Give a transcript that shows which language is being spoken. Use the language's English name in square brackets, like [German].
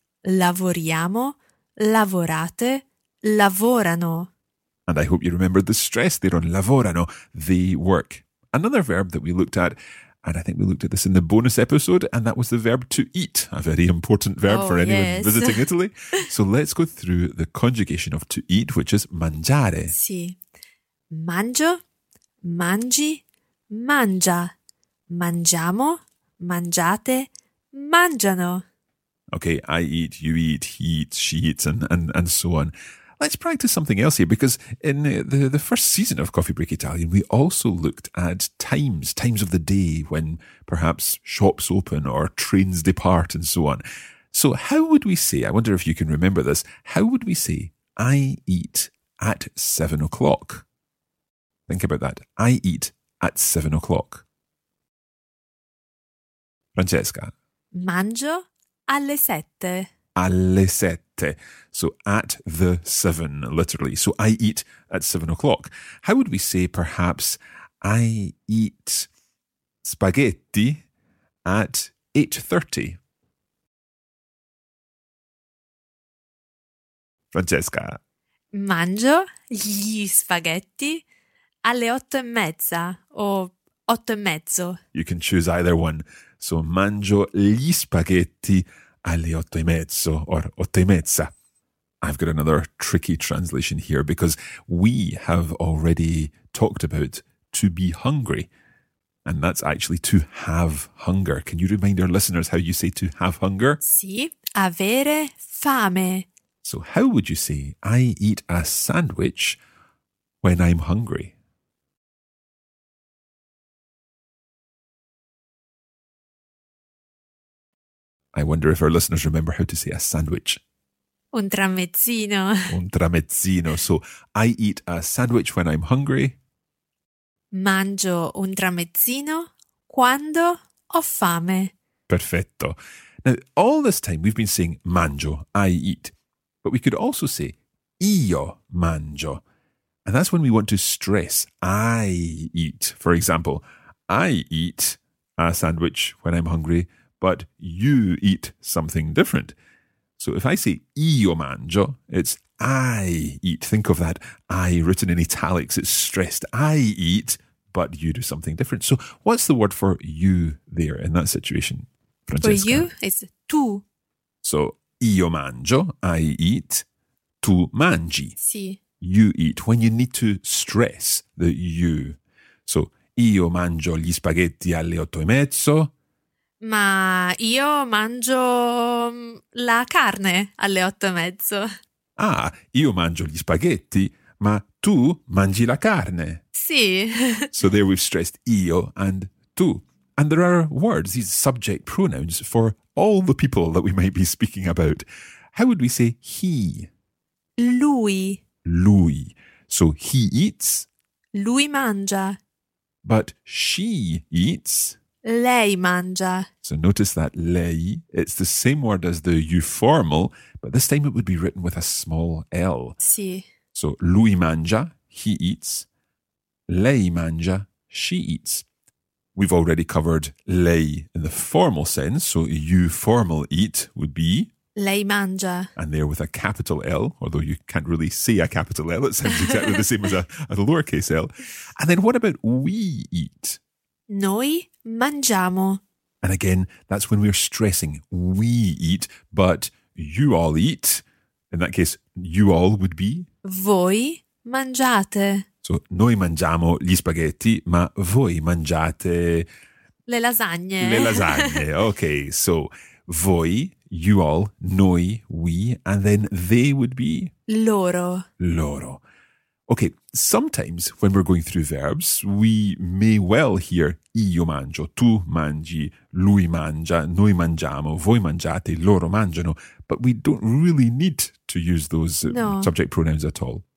[Italian] Lavoriamo, lavorate, lavorano. [English] And I hope you remember the stress there on lavorano, the work. Another verb that we looked at, and I think we looked at this in the bonus episode, and that was the verb to eat, a very important verb for anyone visiting Italy. So let's go through the conjugation of to eat, which is mangiare. [Italian] Sì. Mangio, mangi, mangia. Mangiamo, mangiate, mangiano. [English] Okay, I eat, you eat, he eats, she eats, and so on. Let's practice something else here, because in the first season of Coffee Break Italian, we also looked at times of the day when perhaps shops open or trains depart and so on. So how would we say, I wonder if you can remember this, how would we say, I eat at 7 o'clock? Think about that. I eat at 7 o'clock. Francesca. [Italian] Mangio alle sette. Alle sette. [English] So at the seven, literally. So I eat at 7 o'clock. How would we say perhaps I eat spaghetti at 8:30? Francesca. [Italian] Mangio gli spaghetti alle 8:30 o 8:30. [English] You can choose either one. So [Italian] mangio gli spaghetti alle [English] 8:30 or 8:30. I've got another tricky translation here, because we have already talked about to be hungry, and that's actually to have hunger. Can you remind our listeners how you say to have hunger? [Italian] Sì, avere fame. [English] So how would you say I eat a sandwich when I'm hungry? I wonder if our listeners remember how to say a sandwich. [Italian] Un tramezzino. Un tramezzino. [English] So I eat a sandwich when I'm hungry. [Italian] Mangio un tramezzino quando ho fame. Perfetto. [English] Now, all this time we've been saying mangio, I eat. But we could also say [Italian] io mangio. [English] And that's when we want to stress I eat. For example, I eat a sandwich when I'm hungry, but you eat something different. So if I say [Italian] io mangio, [English] it's I eat. Think of that I written in italics. It's stressed. I eat, but you do something different. So what's the word for you there in that situation, Francesca? For you, it's tu. [Italian] So io mangio, [English] I eat. [Italian] Tu mangi. Sì. [English] You eat. When you need to stress the you. [Italian] So io mangio gli spaghetti alle 8:30. Ma io mangio la carne alle 8:30. Ah, io mangio gli spaghetti, ma tu mangi la carne. Sì. [English] So there we've stressed io and tu. And there are words, these subject pronouns, for all the people that we might be speaking about. How would we say he? [Italian] Lui. [English] Lui. So he eats. [Italian] Lui mangia. [English] But she eats. [Italian] Lei mangia. [English] So notice that lei, it's the same word as the you formal, but this time it would be written with a small L. [Italian] Sì. [English] So [Italian] lui mangia, [English] he eats. [Italian] Lei mangia, [English] she eats. We've already covered lei in the formal sense, so you formal eat would be? [Italian] Lei mangia. [English] And there with a capital L, although you can't really see a capital L, it sounds exactly the same as a lowercase L. And then what about we eat? [Italian] Noi mangiamo. [English] And again, that's when we're stressing we eat, but you all eat. In that case, you all would be? [Italian] Voi mangiate. So noi mangiamo gli spaghetti, ma voi mangiate... Le lasagne. Le lasagne. [English] Okay, so voi, you all, noi, we, and then they would be? [Italian] Loro. [English] Loro. Okay, sometimes when we're going through verbs, we may well hear [Italian] io mangio, tu mangi, lui mangia, noi mangiamo, voi mangiate, loro mangiano, [English] but we don't really need to use those subject pronouns at all.